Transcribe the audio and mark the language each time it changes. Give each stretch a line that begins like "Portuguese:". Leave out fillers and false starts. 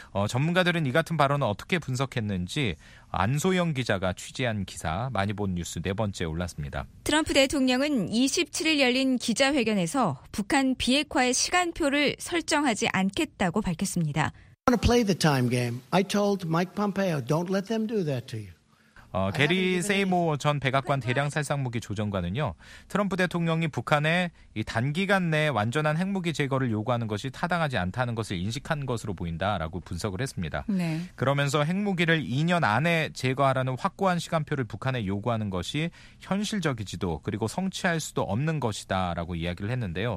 Korean: 전문가들은 이 같은 발언을 어떻게 분석했는지 안소영 기자가 취재한 기사 많이 본 뉴스 네 번째에 올랐습니다. 트럼프 대통령은 27일 열린 기자회견에서 북한 비핵화의 시간표를 설정하지 않겠다고 밝혔습니다.
English: I want to play the time game. I told Mike Pompeo, don't let them do that to you.
Korean: 게리 세이모 전 백악관 대량살상무기 조정관은요. 트럼프 대통령이 북한에 이 단기간 내 완전한 핵무기 제거를 요구하는 것이 타당하지 않다는 것을 인식한 것으로 보인다라고 분석을 했습니다. 네. 그러면서 핵무기를 2년 안에 제거하라는 확고한 시간표를 북한에 요구하는 것이 현실적이지도 그리고 성취할 수도 없는 것이다 라고 이야기를 했는데요.